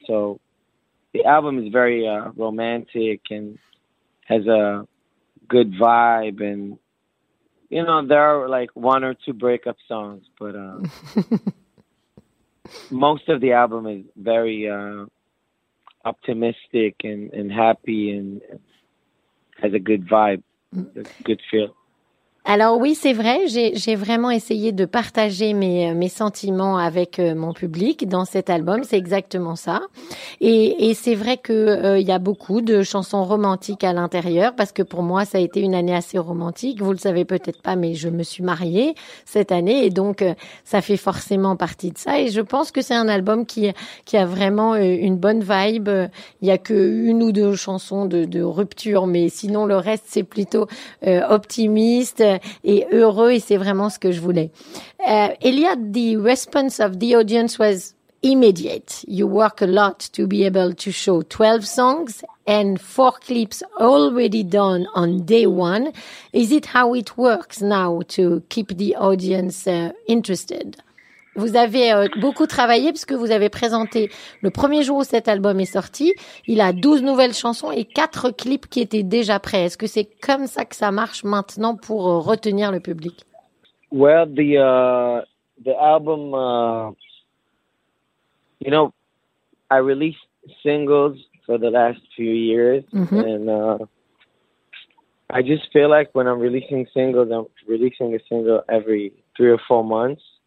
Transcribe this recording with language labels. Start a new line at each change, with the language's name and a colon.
English: So the album is very romantic and has a good vibe, and you know, there are like one or two breakup songs, but most of the album is very optimistic and happy, and has a good vibe, a good feel.
French: Alors oui, c'est vrai, j'ai vraiment essayé de partager mes sentiments avec mon public dans cet album, c'est exactement ça. Et c'est vrai que il y a beaucoup de chansons romantiques à l'intérieur, parce que pour moi, ça a été une année assez romantique. Vous le savez peut-être pas, mais je me suis mariée cette année, et donc ça fait forcément partie de ça. Et je pense que c'est un album qui a vraiment une bonne vibe. Il y a que une ou deux chansons de rupture, mais sinon le reste, c'est plutôt optimiste et heureux, et c'est vraiment ce que je voulais.
English: Eliad, the response of the audience was immediate. You work a lot to be able to show 12 songs and 4 clips already done on day one. Is it how it works now to keep the audience interested?
French: Vous avez beaucoup travaillé puisque vous avez présenté le premier jour où cet album est sorti. Il a 12 nouvelles chansons et 4 clips qui étaient déjà prêts. Est-ce que c'est comme ça que ça marche maintenant pour retenir le public?
English: Well, the album, you know, I released singles for the last few years, mm-hmm. and I just feel like when I'm releasing singles, I'm releasing a single every 3 or 4 months.